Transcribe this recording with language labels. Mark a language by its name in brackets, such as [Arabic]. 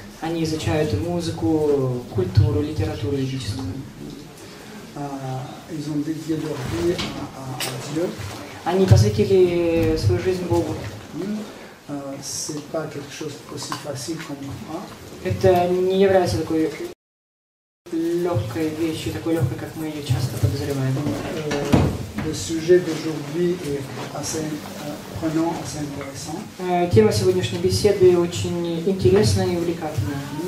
[Russian] Они изучают музыку, культуру, литературу ведическую. [French] Ils ont dédié leur vie à Dieu. [Russian] Они посвятили свою жизнь Богу. [French] C'est pas quelque chose aussi facile qu'on le croit. [Russian] Это не является такой легкой вещью, такой легкой, как мы ее часто подозреваем. [French] Le sujet d'aujourd'hui est assez prenant, assez intéressant. [Russian] Тема сегодняшней беседы очень интересная и увлекательная.